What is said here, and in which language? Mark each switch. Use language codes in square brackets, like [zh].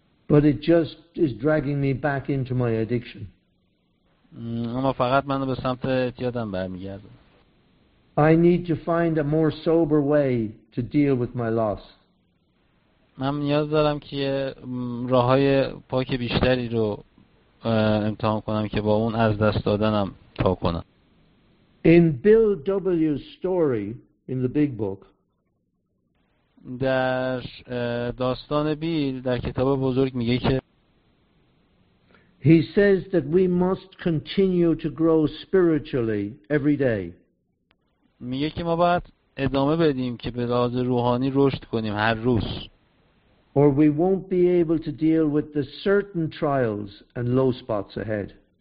[en] But it just is dragging me back into my addiction. [fa] اما فقط منو به سمت اعتیادم برمیگرده. [en] I need to find a more sober way to deal with my loss. [fa] من نیاز دارم که راه‌های پاک بیشتری رو امتحان کنم که با اون از دست دادنم تا کنم. [en] In Bill W's story in the Big Book. [fa] در داستان بیل در کتاب بزرگ میگه که [en] He says that we must continue to grow spiritually every day. [fa] میگه که ما باید ادامه بدیم که به لحاظ روحانی رشد کنیم هر روز. [en] Or we won't be able to deal with the certain trials and low spots ahead.